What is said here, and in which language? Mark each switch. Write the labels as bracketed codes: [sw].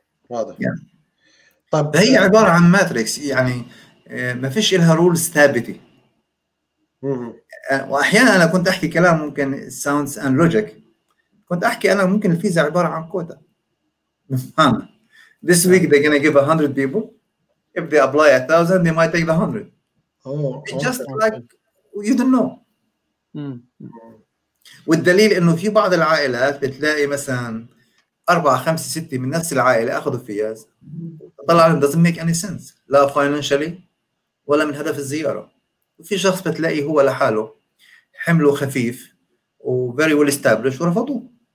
[ar] واضح. [en] Yeah. [ar] طب هي عباره عن ماتريكس، يعني ما فيش لها رولز ثابته. واحيانا انا كنت احكي كلام ممكن sounds and logic، كنت احكي انا ممكن الفيزا عباره عن كوتا. [en] This week they're gonna give 100 people. If they apply 1000 they might take the 100. Oh, it's just okay. Like you don't know. مم. [ar] والدليل انه في بعض العائلات بتلاقي مثلا 4 5 6 من نفس العائله اخذوا فياز، طلع ان doesn't make any sense لا financially ولا من هدف الزياره. وفي شخص بتلاقي هو لحاله حمله خفيف و very well established ورفضوه.